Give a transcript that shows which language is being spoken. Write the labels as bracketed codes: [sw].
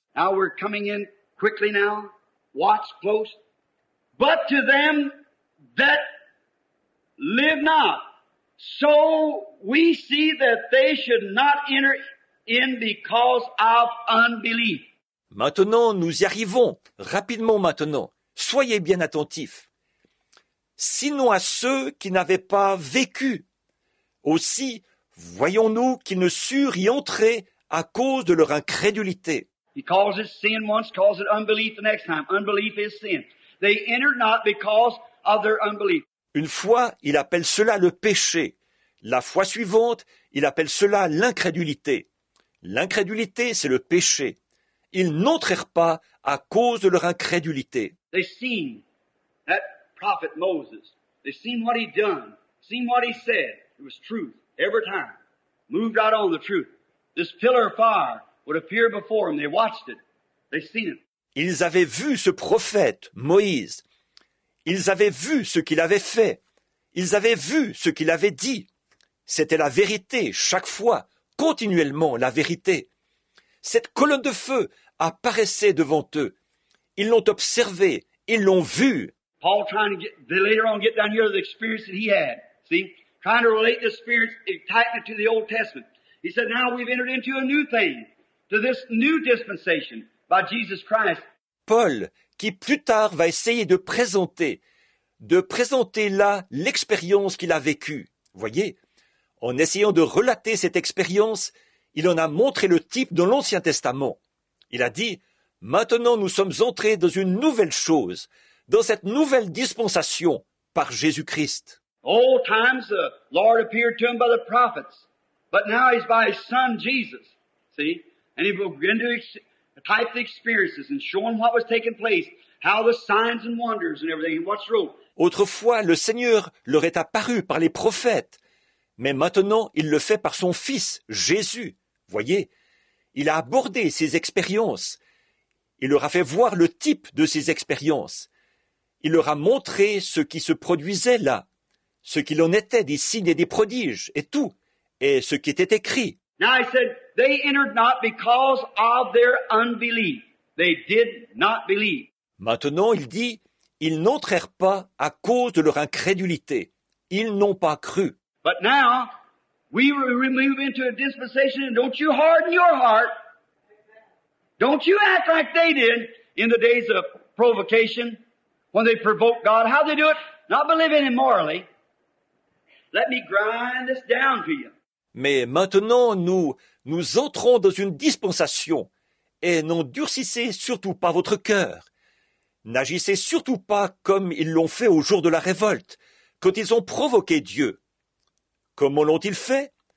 [en] Now we're coming in quickly now. Watch close. But to them that live not, so we see that they should not enter in because of unbelief. [fr] Maintenant, nous y arrivons. Rapidement maintenant. Soyez bien attentifs. Sinon à ceux qui n'avaient pas vécu. Aussi, voyons-nous qu'ils ne surent y entrer à cause de leur incrédulité. [en] He calls it sin once, calls it unbelief the next time. Unbelief is sin. They entered not because of their unbelief. [fr] Une fois, il appelle cela le péché. La fois suivante, il appelle cela l'incrédulité. L'incrédulité, c'est le péché. Ils n'entrèrent pas à cause de leur incrédulité. [en] They seen that prophet Moses. They seen what he done. Seen what he said. It was truth every time. Moved out on the truth. This pillar of fire would appear before them. They watched it. They seen it. [fr] Ils avaient vu ce prophète Moïse. Ils avaient vu ce qu'il avait fait. Ils avaient vu ce qu'il avait dit. C'était la vérité chaque fois. Continuellement la vérité. Cette colonne de feu apparaissait devant eux. Ils l'ont observé, ils l'ont vu. [en] Paul trying to get, later on get down here to the experience that he had. See, trying to relate the experience, tighten it to the Old Testament. He said, now we've entered into a new thing, to this new dispensation by Jesus Christ. [fr] Paul, qui plus tard va essayer de présenter là l'expérience qu'il a vécue. Voyez. En essayant de relater cette expérience, il en a montré le type dans l'Ancien Testament. Il a dit, « Maintenant nous sommes entrés dans une nouvelle chose, dans cette nouvelle dispensation par Jésus-Christ. » [en] Old times the Lord appeared to him by the prophets, but now he's by his son Jesus. See? And he began to type the experiences and show him what was taking place, how the signs and wonders and everything, and what's wrong. [fr] Autrefois, le Seigneur leur est apparu par les prophètes. Mais maintenant, il le fait par son fils, Jésus. Voyez, il a abordé ses expériences. Il leur a fait voir le type de ses expériences. Il leur a montré ce qui se produisait là, ce qu'il en était, des signes et des prodiges, et tout, et ce qui était écrit. [en] Now I said, they entered not because of their unbelief. They did not believe. [fr] Maintenant, il dit, ils n'entrèrent pas à cause de leur incrédulité. Ils n'ont pas cru. [en] But now, We remove into a dispensation, and don't you harden your heart. Don't you act like they did in the days of provocation when they provoked God. How they do it? Not believing immorally. Let me grind this down to you. [fr] Mais maintenant, nous entrons dans une dispensation et n'endurcissez surtout pas votre cœur. N'agissez surtout pas comme ils l'ont fait au jour de la révolte, quand ils ont provoqué Dieu. Comment l'ont-ils fait?